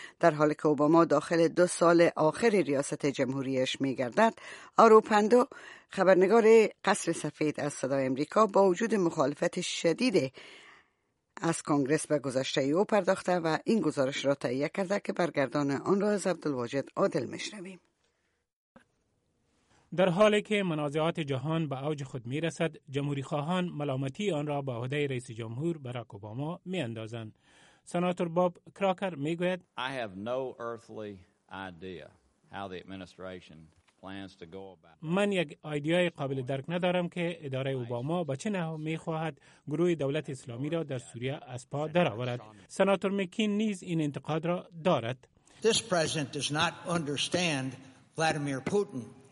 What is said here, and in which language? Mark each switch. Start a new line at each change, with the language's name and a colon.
Persian: در حالی که اوباما داخل 2 سال آخر ریاست جمهوریش می گردد، آروپندو خبرنگار قصر سفید از صدای امریکا با وجود مخالفت شدید از کنگرس به گذشته او پرداخته و این گزارش را تهیه کرده که برگردان آن را از عبدالواجد عادل میشنویم. در حالی که منازعات جهان به اوج خود میرسد، جمهوری خواهان ملامتی آن را به عهده رئیس جمهور براک اوباما می اندازند. سناتور باب کراکر می گوید:
English: I have no earthly idea how the administration plans to go about.
Persian: من یک ایده‌ای قابل درک ندارم که اداره اوباما به چه نحو می‌خواهد گروه دولت اسلامی را در سوریه از پا درآورد. سناتور مکین نیز این انتقاد را دارد.
English: This president does not understand Vladimir Putin